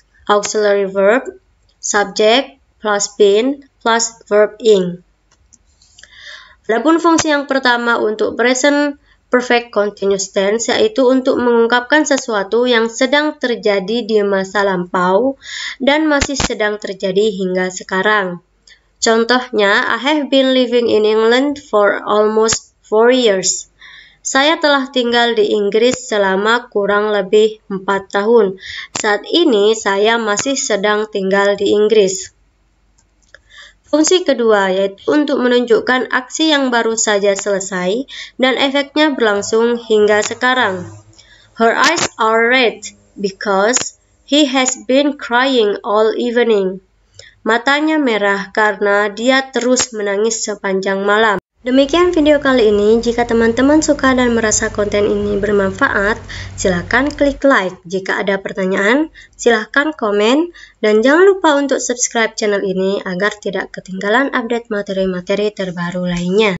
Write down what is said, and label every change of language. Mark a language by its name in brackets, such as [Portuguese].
[English] Auxiliary verb, subject plus been, plus verb ing. [Indonesian] Adapun fungsi yang pertama untuk [English] present [Indonesian] perfect continuous tense yaitu untuk mengungkapkan sesuatu yang sedang terjadi di masa lampau dan masih sedang terjadi hingga sekarang. Contohnya, [English] I have been living in England for almost 4 years. [Indonesian] Saya telah tinggal di Inggris selama kurang lebih 4 tahun. Saat ini, saya masih sedang tinggal di Inggris. Fungsi kedua yaitu untuk menunjukkan aksi yang baru saja selesai dan efeknya berlangsung hingga sekarang. [English] Her eyes are red because he has been crying all evening. [Indonesian] Matanya merah karena dia terus menangis sepanjang malam. Demikian video kali ini, jika teman-teman suka dan merasa konten ini bermanfaat, silakan klik like. Jika ada pertanyaan, silakan komen, dan jangan lupa untuk subscribe channel ini agar tidak ketinggalan update materi-materi terbaru lainnya.